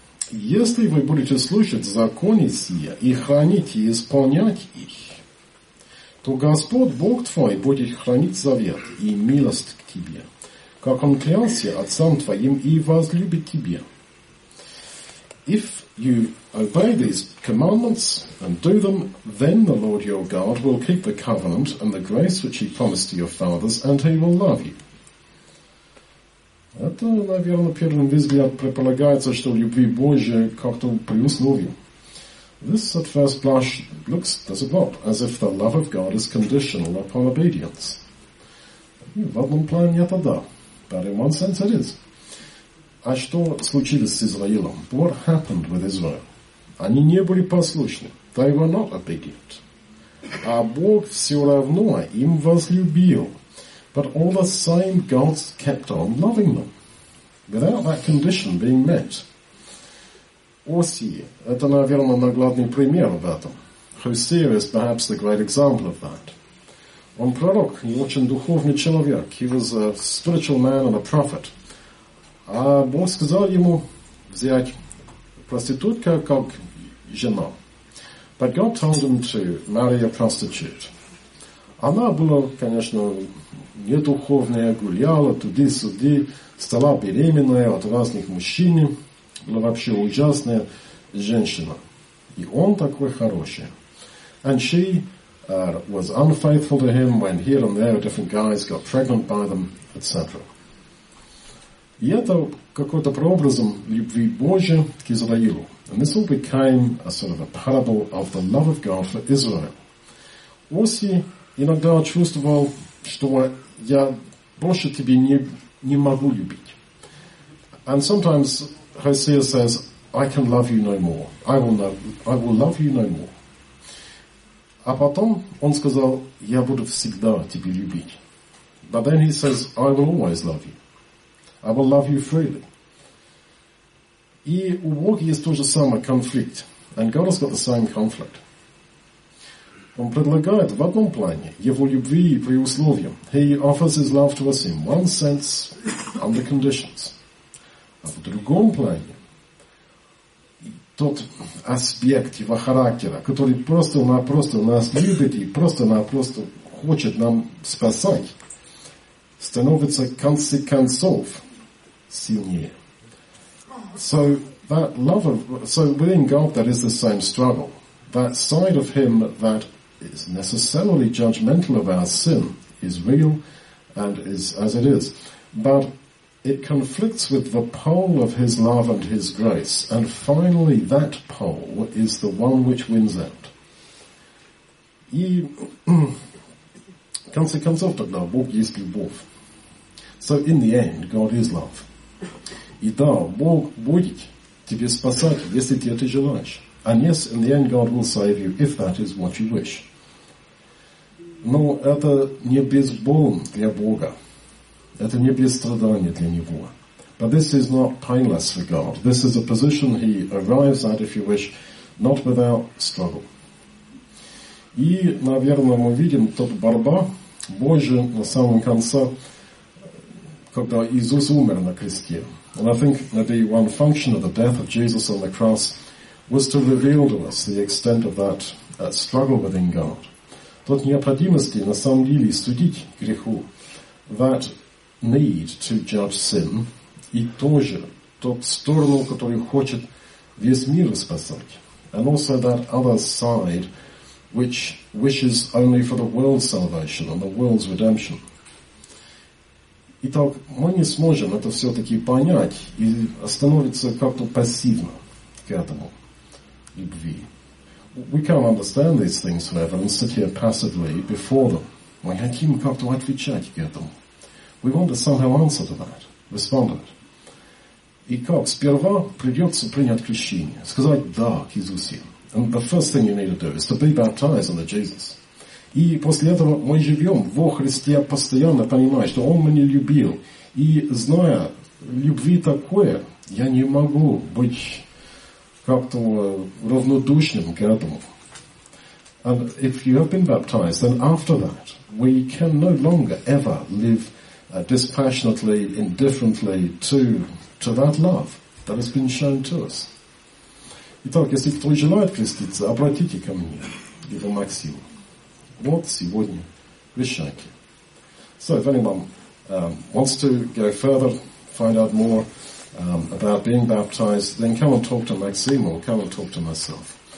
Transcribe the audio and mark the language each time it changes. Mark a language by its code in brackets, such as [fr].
[ru] Если вы будете слушать законы сия и хранить и исполнять их, то Господь Бог твой будет хранить завет и милость к тебе, как Он клялся отцам твоим и возлюбит тебе. [en] If you obey these commandments and do them, then the Lord your God will keep the covenant and the grace which He promised to your fathers, and He will love you. [ru] Это, наверное, на первый взгляд предполагается, что любви Божия как-то при условии. [en] This at first blush looks, does it not, as if the love of God is conditional upon obedience. [ru] В одном плане это да. [en] But in one sense it is. [ru] А что случилось с Израилом? [en] What happened with Israel? [ru] Они не были послушны. [en] They were not obedient. [ru] А Бог все равно им возлюбил. [en] But all the same, God kept on loving them. Without that condition being met. Осия. [ru] Это, наверное, наглядный пример об этом. [en] Hosea is perhaps the great example of that. [ru] Он пророк, и очень духовный человек. [en] He was a spiritual man and a prophet. [ru] А Бог сказал ему взять проститутку как жену. [en] But God told him to marry a prostitute. [ru] Она была, конечно, недуховная, гуляла туди-сюди, стала беременная от разных мужчин. Была вообще ужасная женщина. И он такой хороший. [en] And she was unfaithful to him when here and there different guys got pregnant by them, etc. [ru] И это какой-то прообразом любви Божия к Израилю. [en] And this all became a sort of a parable of the love of God for Israel. [ru] Оси иногда чувствовал, что я больше тебе не могу любить. [en] And sometimes Hosea says, I can love you no more. I will love you no more. [ru] А потом он сказал, я буду всегда тебя любить. [en] But then he says, I will always love you. I will love you freely. [ru] И у Бога есть тот же самый конфликт. [en] And God has got the same conflict. [ru] Он предлагает в одном плане его любви при условии. [en] He offers his love to us in one sense, under conditions. [ru] А в другом плане тот аспект его характера, который просто-напросто нас любит и просто-напросто хочет нам спасать, становится в конце концов сильнее. [en] So that love of, so within God there is the same struggle. That side of Him that is necessarily judgmental of our sin is real and is as it is. But it conflicts with the pole of His love and His grace, and finally that pole is the one which wins out. [ru] И в конце концов тогда Бог есть любовь. [en] So in the end, God is love. [ru] И да, Бог будет тебе спасать, если ты это желаешь. [en] And yes, in the end God will save you if that is what you wish. [ru] Но это не без болен для Бога. Это не без страдания для Него. [en] But this is not painless for God. This is a position He arrives at, if you wish, not without struggle. [ru] И, наверное, мы видим тут борьба Божия на самом конце, когда Иисус умер на кресте. [en] And I think maybe one function of the death of Jesus on the cross was to reveal to us the extent of that struggle within God. [ru] Тот необходимости на самом деле судить греху, [en] that need to judge sin, [ru] и тоже тот сторону, которую хочет весь мир спасать, [en] and also that other side which wishes only for the world's salvation and the world's redemption. [ru] Итак, мы не сможем это все-таки понять и остановиться как-то пассивно к этому любви. [en] We can't understand these things, however, and sit here passively before them. [ru] Мы хотим как-то отвечать к этому. [en] We want to somehow answer to that, respond to it. [ru] И как? Сперва придется принять крещение, сказать «да» к Иисусу. [en] And the first thing you need to do is to be baptized under Jesus. [ru] И после этого мы живем во Христе, постоянно понимая, что Он меня любил. И зная любви такое, я не могу быть как-то равнодушным к этому. [en] And if you have been baptized, then after that, we can no longer ever live dispassionately, indifferently to that love that has been shown to us. [ru] Итак, если кто желает креститься, обратите ко мне, его Максим. Вот сегодня крещайте. [en] So if anyone wants to go further, find out more about being baptized, then come and talk to Maxime or come and talk to myself.